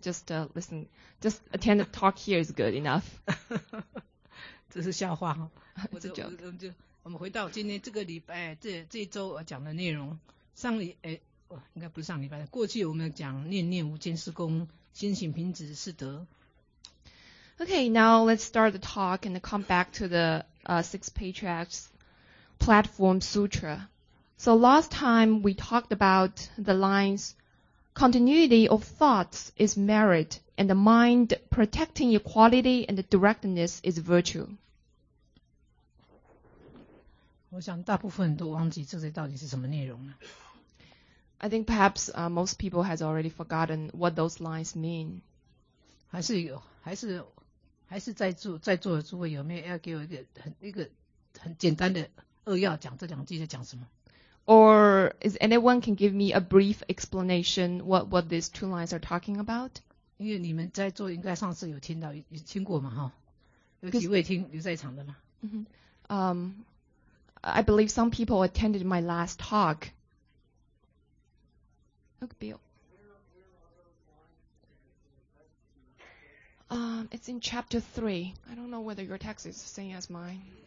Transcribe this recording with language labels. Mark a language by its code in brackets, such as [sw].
[en] Just listen, just attend the talk here is good enough. [zh] 这是笑话哈，这就我们回到今天这个礼拜这一周讲的内容。上礼哎，应该不是上礼拜，过去我们讲念念无间是功，心行平直是德。 [en] Okay, now let's start the talk and come back to the six patriarchs. Platform Sutra. So last time we talked about the lines, continuity of thoughts is merit, and the mind protecting equality and the directness is virtue. [zh] 我想大部分都忘记这些到底是什么内容了。 [en] I think perhaps most people has already forgotten what those lines mean. [zh] 还是在座的诸位有没有要给我一个很简单的二要讲这两句在讲什么 [en] ？Or is anyone can give me a brief explanation what these two lines are talking about？ [zh] 因为你们在座应该上次有听到有听过嘛哈，有几位听留在场的嘛。 [en] I believe some people attended my last talk. Look, Bill. It's in chapter 3. I don't know whether your text is same as mine.